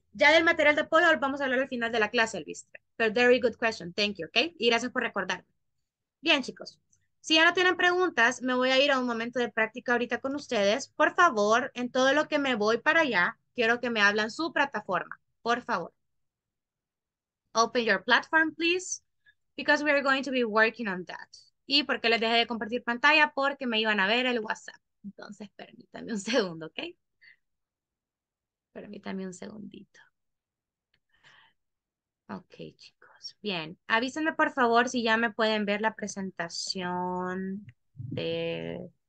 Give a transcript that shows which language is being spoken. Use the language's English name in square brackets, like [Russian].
[Spanish] Ya del material de apoyo vamos a hablar al final de la clase, Luis. Pero [English] very good question, thank you, [Spanish] ¿ok? Y gracias por recordarme. Bien, chicos, si ya no tienen preguntas, me voy a ir a un momento de práctica ahorita con ustedes. Por favor, en todo lo que me voy para allá, quiero que me hablen su plataforma, por favor. [English] Open your platform, please, because we are going to be working on that. [Spanish] Y porque les dejé de compartir pantalla, porque me iban a ver el WhatsApp. Entonces, permítanme un segundo, ¿ok? Permítanme un segundito. Ok, chicos. Bien, avísenme por favor si ya me pueden ver la presentación de...